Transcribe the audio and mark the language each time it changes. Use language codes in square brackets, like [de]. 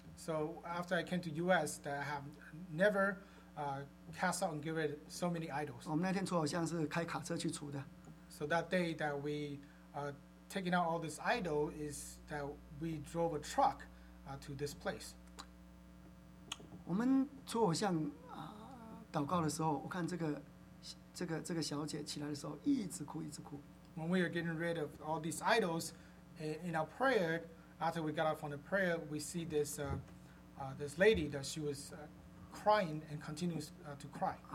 [en] So after I came to US, that I have never cast out and give it so many idols. [zh] 我们那天除偶像是开卡车去除的。 [en] So that day that we taking out all this idol is that we drove a truck to this place. [zh] 我们除偶像 祷告的时候，我看这个小姐起来的时候一直哭一直哭。 [en] When we are getting rid of all these idols, in our prayer, after we got up from the prayer, we see this this lady that she was crying and continues to cry.